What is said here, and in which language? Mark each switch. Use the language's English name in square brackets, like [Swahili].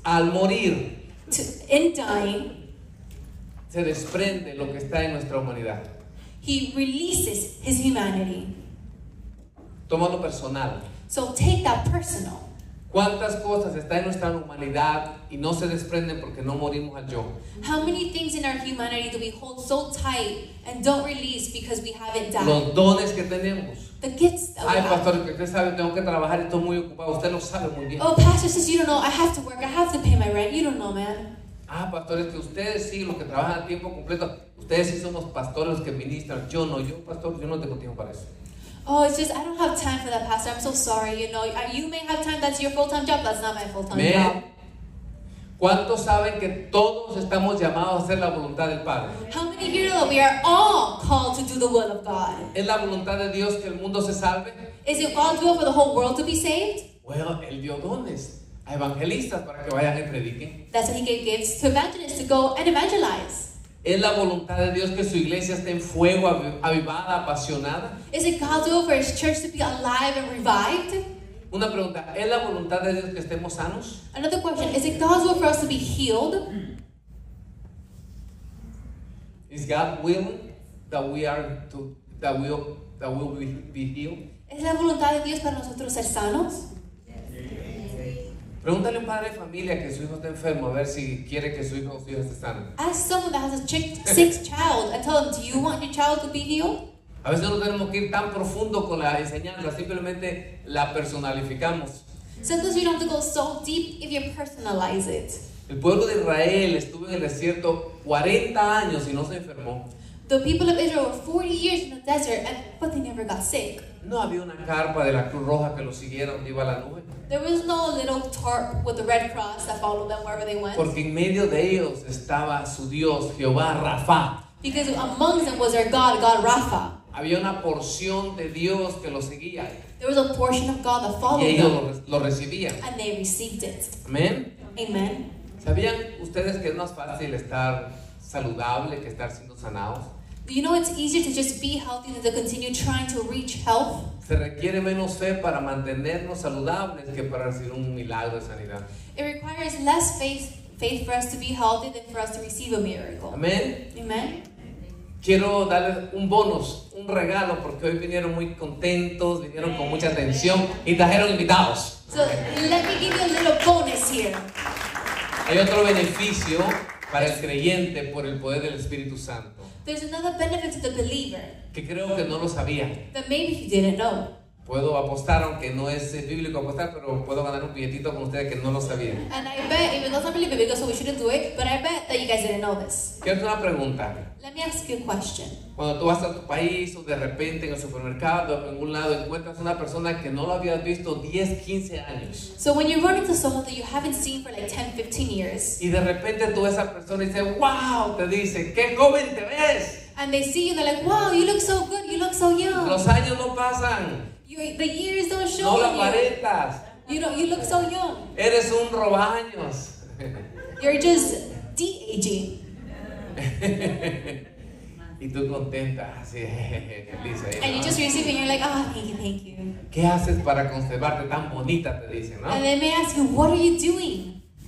[Spanish] Al morir, [English] in dying, [Spanish] se desprende lo que está en nuestra humanidad. [English] He releases his humanity. [Spanish] Toma lo personal. [English] So take that personal. [Spanish] ¿Cuántas cosas están en nuestra humanidad y no se desprenden porque no morimos al yo? [English] How many things in our humanity do we hold so tight and don't release because we haven't died? [Spanish] Los dones que tenemos. [English] The gifts that we have. [Spanish] Ay, pastor, que usted sabe, tengo que trabajar, estoy muy ocupado. Usted lo sabe muy bien. [English] Oh, pastor says, you don't know, I have to work, I have to pay my rent. You don't know, man. [Spanish] Ah, pastores, que ustedes sí, los que trabajan a tiempo completo, ustedes sí somos pastores los que ministran. Yo no, yo, pastor, yo no tengo tiempo para eso. [English] Oh, it's just, I don't have time for that, pastor. I'm so sorry, you know. You may have time, that's your full-time job. That's not my full-time Man. Job. [Spanish] ¿Cuántos saben que todos estamos llamados a hacer la voluntad del Padre? [English] How many of you know that we are all called to do the will of God? [Spanish] ¿Es la voluntad de Dios que el mundo se salve? [English] Is it God's will for the whole world to be saved? Well, [Spanish] él dio dones a evangelistas para que vayan y prediquen. [English] That's why he gave gifts to evangelists to go and evangelize. [Spanish] ¿Es la voluntad de Dios que su iglesia esté en fuego, avivada, apasionada? [English] Is it God's will for his church to be alive and revived? [Spanish] Una pregunta, ¿es la voluntad de Dios que estemos sanos? [English] Another question, is it God's will for us to be healed? Is God willing that we are to that we will be healed? [Spanish] ¿Es la voluntad de Dios para nosotros ser sanos? Pregúntale a un padre de familia que su hijo está enfermo a ver si quiere que su hijo o su hija esté sano. [English] Ask someone that has a sick child and tell them, do you want your child to be healed? [Spanish] A veces no tenemos que ir tan profundo con la enseñanza, simplemente la personalificamos. [English] Sometimes you don't have to go so deep if you personalize it. [Spanish] El pueblo de Israel estuvo en el desierto 40 años y no se enfermó. [English] The people of Israel were 40 years in the desert, but they never got sick. [Spanish] No había una carpa de la Cruz Roja que los siguiera donde iba la nube. [English] There was no little tarp with the Red Cross that followed them wherever they went. [Spanish] Porque en medio de ellos estaba su Dios, Jehová Rafa. [English] Because among them was their God, God Rafa. [Spanish] Había una porción de Dios que los seguía. [English] There was a portion of God that followed them. [Spanish] Y ellos lo recibían. [English] And they received it. Amen. Amen. [Spanish] ¿Sabían ustedes que es más fácil estar saludable que estar siendo sanados? [English] You know it's easier to just be healthy than to continue trying to reach health. [Spanish] Se requiere menos fe para mantenernos saludables que para recibir un milagro de sanidad. [English] It requires less faith for us to be healthy than for us to receive a miracle. Amen. Amen. [Spanish] Quiero darles un bonus, un regalo, porque hoy vinieron muy contentos, vinieron con mucha atención y trajeron invitados. [English] So let me give you a little bonus here. [Spanish] Hay otro beneficio para el creyente por el poder del Espíritu Santo. [English] There's another benefit to the believer. [Spanish] Que creo que no lo sabía. [English] That maybe he didn't know. [Spanish] Puedo apostar, aunque no es bíblico apostar, pero puedo ganar un billetito con ustedes que no lo sabían. [English] And I bet, even though it's not really biblical, so we shouldn't do it, but I bet that you guys didn't know this. [Spanish] Quiero hacer una pregunta. [English] Let me ask you a question. [Spanish] Cuando tú vas a tu país, o de repente en el supermercado, en un lado, encuentras una persona que no lo habías visto 10, 15 años. [English] So when you run into someone that you haven't seen for like 10, 15 years. [Spanish] Y de repente tú ves a esa persona y dices, wow, te dice, qué joven te ves. [English] And they see you, they're like, wow, you look so good, you look so young. [Spanish] Los años no pasan. [English] The years don't show [Spanish] no [English] you. [Spanish] No lo aparentas. [English] You know, you look so young. [Spanish] Eres un robaños. [English] You're just de-aging. [Spanish] Y tú contenta, así, feliz. [English] And you just receive and you're like, ah, oh, thank you, thank you. [Spanish] ¿Qué haces para conservarte tan bonita? Te dicen, ¿no? [English] And then they ask you, what are you doing?